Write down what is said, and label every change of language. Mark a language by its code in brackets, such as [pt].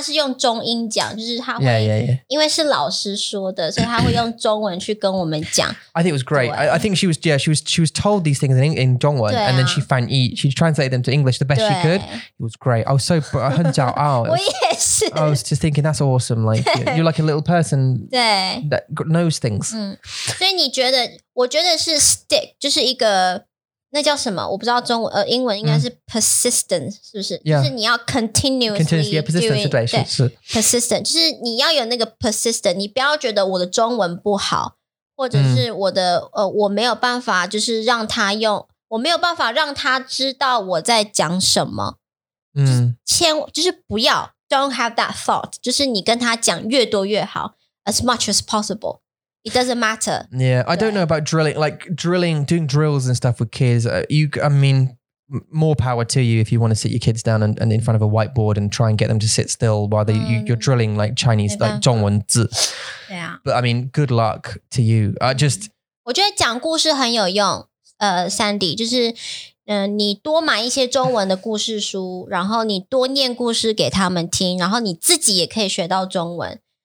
[zh] 他都知道这些,但是他都是用中英讲,就是他会, Yeah. 因为是老师说的,所以他会用中文去跟我们讲。 [en] I think it was great. I think she was, yeah, she was told these things in 中文, and then she translated them to English the best she could. It was great. I was so, [zh] 很骄傲。我也是。 [en] I was just thinking, that's awesome. Like, you're like a little person that knows things. [zh] 所以你觉得, 我觉得是 stick, 就是一个那叫什么, 我不知道中文, 英文应该是 persistence, 是不是? [en] Yeah. [zh] 就是你要 continuously [en] persistence, doing, [zh] 对, persistence, 就是你要有那个 persistence, 你不要觉得我的中文不好, 或者是我的, 我没有办法, 就是让他用, 我没有办法让他知道我在讲什么, 就是不要, [en] don't have that thought, [zh] 就是你跟他讲越多越好, [en] as much as possible. It doesn't matter. Yeah, I don't know about drilling, like drilling, doing drills and stuff with kids. You, I mean, more power to you if you want to sit your kids down and in front of a whiteboard and try and get them to sit still while they, you're drilling like Chinese, like 中文字. Yeah. But I mean, good luck to you. I just... [zh] 我觉得讲故事很有用, Sandy, 就是, 你多买一些中文的故事书, 然后你多念故事给他们听, 然后你自己也可以学到中文。